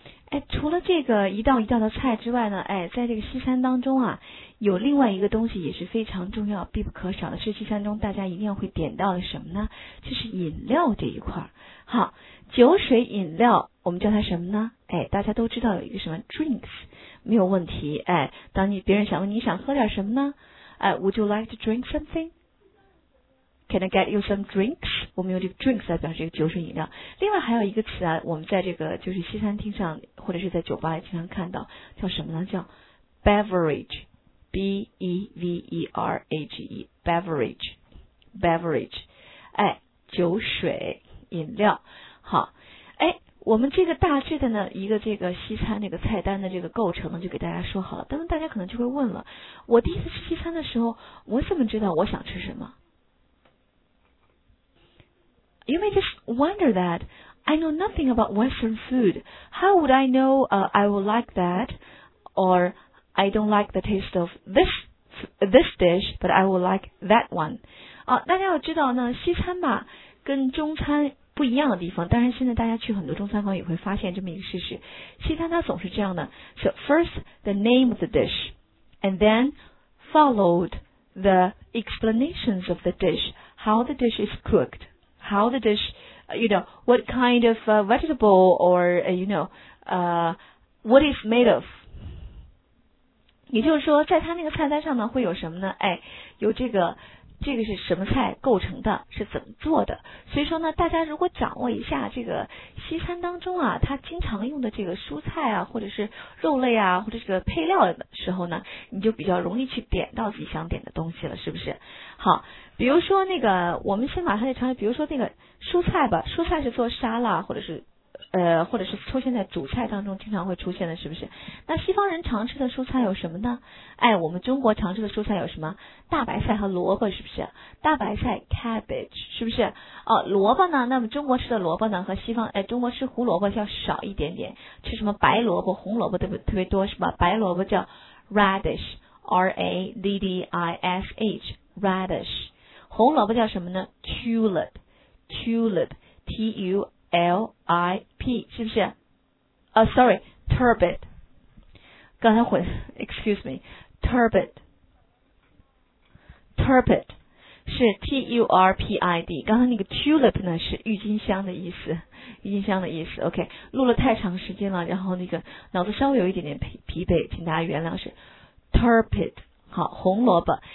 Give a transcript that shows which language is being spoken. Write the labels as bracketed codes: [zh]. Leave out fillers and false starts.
[zh] 哎，除了这个一道一道的菜之外呢，哎，在这个西餐当中啊，有另外一个东西也是非常重要、必不可少的，是西餐中大家一定会点到的什么呢？就是饮料这一块。好，酒水饮料，我们叫它什么呢？哎，大家都知道有一个什么 drinks, 没有问题。哎，当你别人想问你想喝点什么呢？ [en] 哎 ，Would you like to drink something? Can I get you some drinks? [zh] 我们用这个 drinks 来表示这个酒水饮料。另外还有一个词啊，我们在这个就是西餐厅上或者是在酒吧里经常看到，叫什么呢？叫 beverage, beverage, 哎，酒水饮料。好，哎，我们这个大致的呢一个这个西餐这个菜单的这个构成呢就给大家说好了。但是大家可能就会问了，我第一次吃西餐的时候，我怎么知道我想吃什么？ [en] You may just wonder that I know nothing about Western food. How would I know I would like that or I don't like the taste of this dish, but I would like that one.、 [zh] 大家要知道呢，西餐吧跟中餐不一样的地方，当然现在大家去很多中餐馆也会发现这么一个事实。西餐它总是这样的， [en] So first the name of the dish and then followed the explanations of the dish, how the dish is cookedHow the dish, you know, what kind of vegetable or, you know, What is made of? [zh] 也就是说，在他那个菜单上呢，会有什么呢？哎，有这个，这个是什么菜构成的？是怎么做的？所以说呢，大家如果掌握一下这个西餐当中啊，他经常用的这个蔬菜啊，或者是肉类啊，或者这个配料的时候呢，你就比较容易去点到自己想点的东西了，是不是？好，比如说那个，我们先把它的尝试，比如说那个蔬菜吧，蔬菜是做沙拉，或者是或者是出现在主菜当中经常会出现的，是不是？那西方人常吃的蔬菜有什么呢？哎，我们中国常吃的蔬菜有什么？大白菜和萝卜，是不是？大白菜 cabbage， 是不是？哦，萝卜呢？那么中国吃的萝卜呢，和西方，哎，中国吃胡萝卜叫少一点点，吃什么白萝卜、红萝卜特别特别多，是吧？白萝卜叫 radish， r a d d i s h， radish， 红萝卜叫什么呢？ tulip， tulip， t u L-I-P 是不是？ sorry， turbot， 刚才混 excuse me， turbot， turbot 是 T-U-R-P-I-D， 刚才那个 tulip 呢是郁金香的意思，郁金香的意思。 OK， 录了太长时间了，然后那个脑子稍微有一点点疲惫，请大家原谅，是 turbot。好，红萝卜。